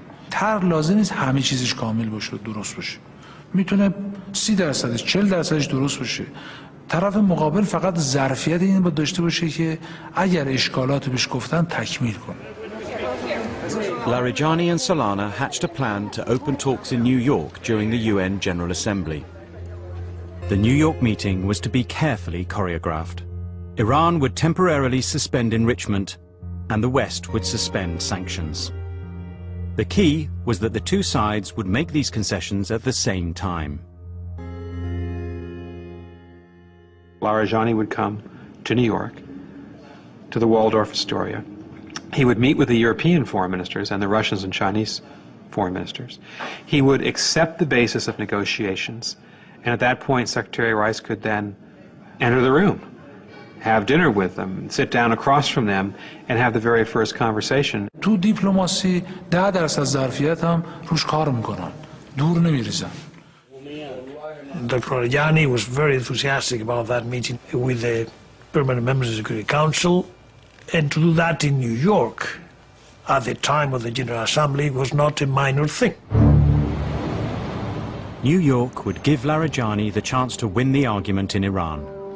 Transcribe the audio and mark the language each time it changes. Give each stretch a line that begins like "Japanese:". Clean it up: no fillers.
Persian: تر لازم نیست همه چیزش کامل باشه و درست باشه، میتونه 30%ش 40%ش درست باشه. طرف مقابل فقط ظرفیت این باید داشته باشه که اگر اشکالات بهش گفتن تکمیل کنه.
English: Larijani and Solana hatched a plan to open talks in New York during the UN General Assembly. The New York meeting was to be carefully choreographed. Iran would temporarily suspend enrichment and the West would suspend sanctions. The key was that the two sides would make these concessions at the same time. Larijani would come to New York, to the Waldorf Astoria. He would meet with the European foreign ministers and the Russians and Chinese foreign ministers. He would accept the basis of negotiations, and at that point, Secretary Rice could then enter the room, have dinner with them, sit down across from them, and have the very first conversation.
Persian: تو دیپلماسی 10% از ظرفیت هم روش کار میکنن. دور نمیریزن.
English: Dr. Larijani was very enthusiastic about that meeting with the permanent members of the Security Council, and to do that in New York at the time of the General Assembly was not a minor thing. New York would give Larijani the chance to win the argument in Iran.